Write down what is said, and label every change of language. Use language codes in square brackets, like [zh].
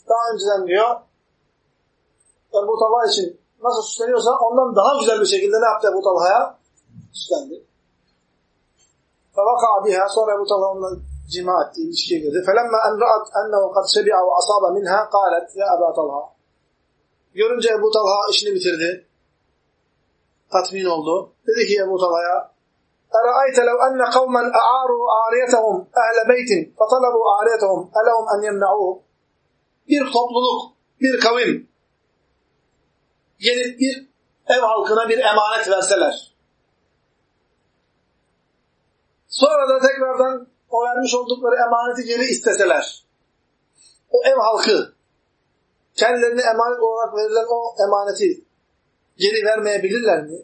[tr] Daha önceden diyor, Ebu Talha için nasıl süsleniyorsa ondan daha güzel bir şekilde ne yaptı Ebu Talha'ya? Süslendi. [ar] فَوَقَعَ بِهَا. [tr] Sonra Ebu Talha onunla cima etti, ilişkiye girdi. [ar] فَلَمَّا اَنْ رَأَتْ اَنَّهُ قَدْ شَبِعَ وَأَصَابَ مِنْهَا قَالَتْ يَا أَبَا طَلْحَ. [tr] Görünce Ebu Talha işini bitirdi. Tatmin oldu. Dedi ki Ebu Talha'ya, [ar] أَرَأَيْتَ لَوْ أَنَّ قَوْمًا أَعَارُوا عَارِيَتَهُمْ أَهْلَ بَيْتٍ فَطَلَبُوا عَارِيَتَهُمْ أَلَهُمْ أَنْ يَمْنَعُوهُ. [tr] Bir topluluk, bir kavim gelip bir ev halkına bir emanet verseler. Sonra da tekrardan o vermiş oldukları emaneti geri isteseler. O ev halkı kendilerine emanet olarak verilen o emaneti geri vermeyebilirler mi?